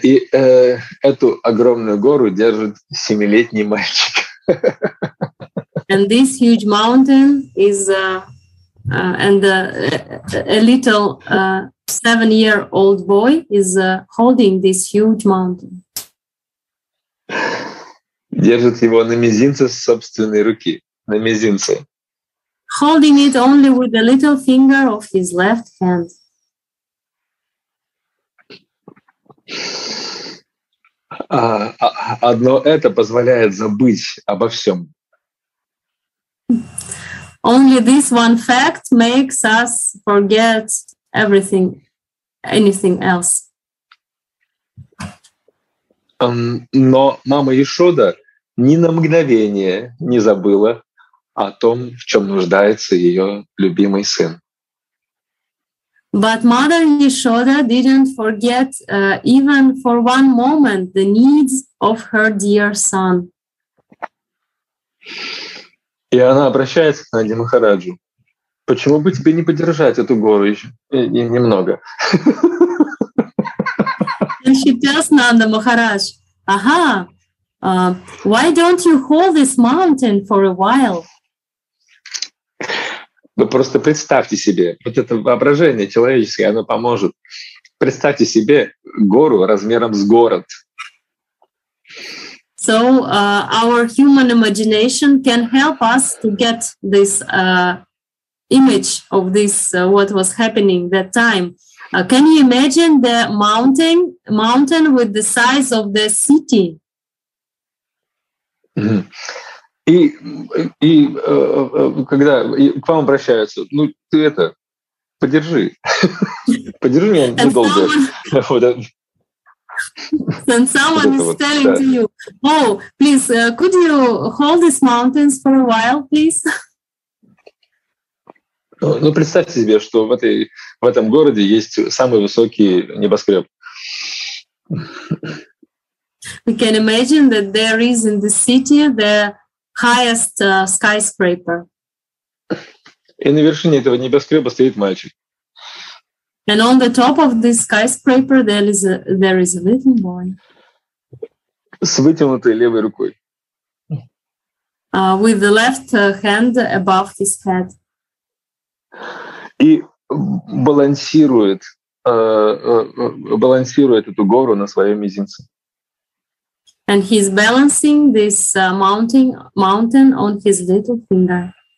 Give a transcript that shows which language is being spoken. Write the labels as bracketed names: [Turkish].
[Russian] Эту огромную гору держит 7-летний мальчик. [English] And this huge mountain is a little 7-year-old boy is holding this huge mountain. [Russian] Держит его на мизинце собственной руки, на мизинце. [English] Holding it only with a little finger of his left hand. [Russian] Одно это позволяет забыть обо всем. [English] Only this one fact makes us forget everything, anything else. [Russian] Но мама Яшода ни на мгновение не забыла о том, в чем нуждается ее любимый сын. [English] But Mother Yashoda didn't forget even for one moment the needs of her dear son. [Russian] И она обращается к Нанди Махараджу. Почему бы тебе не подержать эту гору еще немного? [English] And she tells Nanda Maharaj, "Aha, why don't you hold this mountain for a while?" [Russian] Вы просто представьте себе, вот это воображение человеческое, оно поможет. Представьте себе гору размером с город. [English] So our human imagination can help us to get this image of this, what was happening that time. Can you imagine the mountain with the size of the city? Mm-hmm. [Russian] Когда к вам обращаются, ну ты это подержи, подержи меня недолго. [English] And someone, Then someone is telling to you, oh, please, could you hold these mountains for a while, please? [Russian] Ну, представьте себе, что в этой, в этом городе есть самый высокий небоскреб. [English] We can imagine that there is in the city the highest skyscraper. [Russian] И на вершине этого небоскреба стоит мальчик. [English] And on the top of this skyscraper there is a little boy. [Russian] С вытянутой левой рукой. [English] With the left hand above his head. [Russian] И балансирует, балансирует эту гору на своем мизинце. [English] And he's balancing this mountain on his little finger.